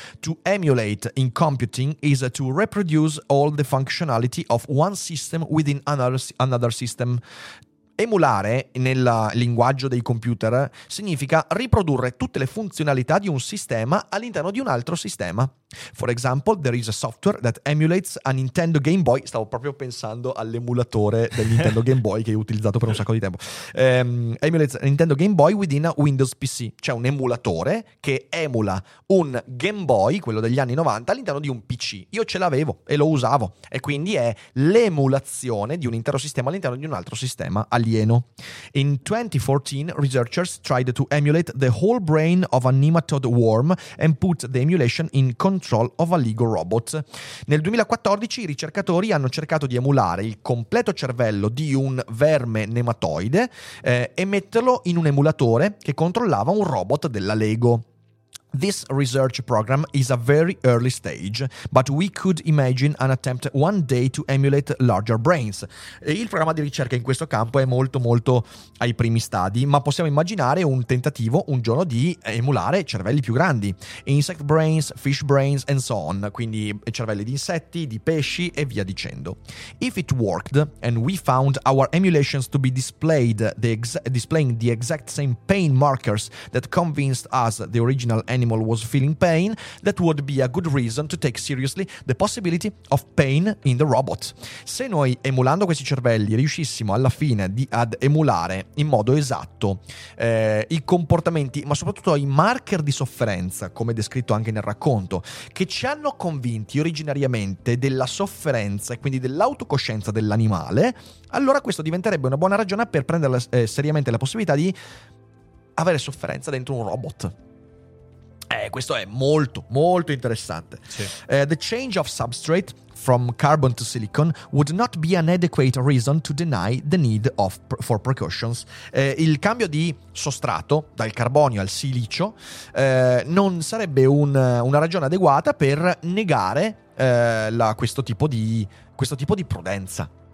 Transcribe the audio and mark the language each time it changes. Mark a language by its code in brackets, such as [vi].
[en] To emulate in computing is to reproduce all the functionality of one system within another system. [it] Emulare nel linguaggio dei computer significa riprodurre tutte le funzionalità di un sistema all'interno di un altro sistema. [en] For example, there is a software that emulates a Nintendo Game Boy. [it] Stavo proprio pensando all'emulatore del Nintendo Game Boy che ho utilizzato per un sacco di tempo. [en] Emulates a Nintendo Game Boy within a Windows PC. [it] C'è un emulatore che emula un Game Boy, quello degli anni 90, all'interno di un PC. Io ce l'avevo e lo usavo. E quindi è l'emulazione di un intero sistema all'interno di un altro sistema alieno. [en] In 2014, researchers tried to emulate the whole brain of a nematode worm and put the emulation in control of a Lego robot. [it] Nel 2014 i ricercatori hanno cercato di emulare il completo cervello di un verme nematoide e metterlo in un emulatore che controllava un robot della Lego. [en] This research program is a very early stage, but we could imagine an attempt one day to emulate larger brains. [it] E il programma di ricerca in questo campo è molto molto ai primi stadi, ma possiamo immaginare un tentativo un giorno di emulare cervelli più grandi. [en] Insect brains, fish brains and so on. [it] Quindi cervelli di insetti, di pesci e via dicendo. [en] If it worked and we found our emulations to be displaying the exact same pain markers that convinced us the original animal was feeling pain, that would be a good reason to take seriously the possibility of pain in the robot. [it] Se noi, emulando questi cervelli, riuscissimo alla fine ad emulare in modo esatto i comportamenti, ma soprattutto i marker di sofferenza, come descritto anche nel racconto, che ci hanno convinti originariamente della sofferenza e quindi dell'autocoscienza dell'animale, allora questo diventerebbe una buona ragione per prendere seriamente la possibilità di avere sofferenza dentro un robot. Questo è molto, molto interessante. Sì. [en] The change of substrate from carbon to silicon would not be an adequate reason to deny the need of for precautions. [it] Il cambio di sostrato dal carbonio al silicio non sarebbe una ragione adeguata per negare questo tipo di prudenza.